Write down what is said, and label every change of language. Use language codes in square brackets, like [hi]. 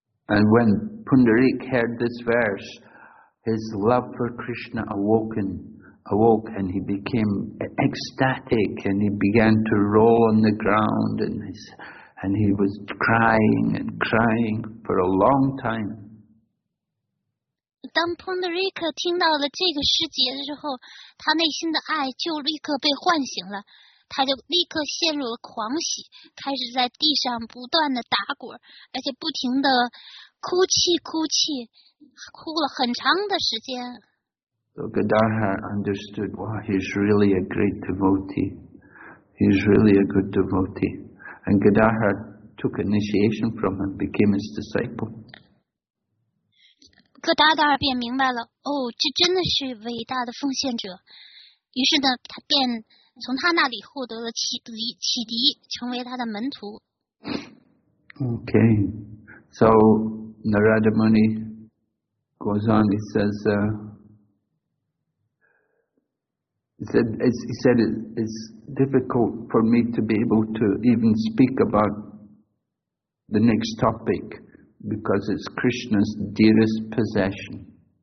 [en] And when Pundarik heard this verse, his love for Krishna awoke and he became ecstatic and he began to roll on the ground and he was crying and crying for a long time. [zh] 当 Pundarik 听到了这个诗节之后，他内心的爱就立刻被唤醒了，他就立刻陷入了狂喜，开始在地上不断的打滚，而且不停的哭泣，哭了很长的时间。 [en] So Gadadhar understood, wow, he's really a great devotee. He's really a good devotee. And Gadadhar took initiation from him, became his disciple. [zh] Gadadhar 便明白了，哦，这真的是伟大的奉献者。于是呢，他便从他那里获得了启迪，成为他的门徒。 [en] Okay. So Narada Muni goes on, he says, He said, it's difficult for me to be able to even speak about the next topic because it's Krishna's dearest possession.